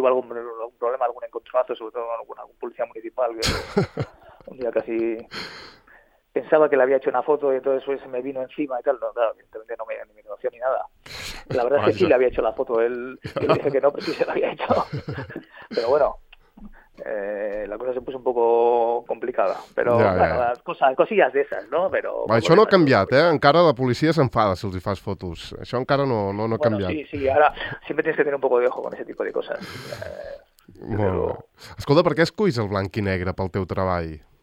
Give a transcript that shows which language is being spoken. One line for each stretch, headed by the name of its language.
Spanish: Tuve algún problema, algún encontronazo, sobre todo con algún policía municipal, que un día casi pensaba que le había hecho una foto y entonces pues, me vino encima y tal. No, claro, evidentemente no me denunció ni nada. La verdad es que sí le había hecho la foto, él dice que no, pero sí se la había hecho. Pero bueno, la cosa se puso un poco complicada. Pero cosillas de esas, ¿no? Pero,
Catalan: això no ha canviat, ¿eh? Encara la policia s'enfada si els hi fas fotos. Això encara no ha canviat.
Spanish: Bueno, sí, ara siempre tienes que tener un poco de ojo con ese tipo de cosas. Bueno.
Catalan: Escolta, per què escollis el blanc i negre pel teu treball?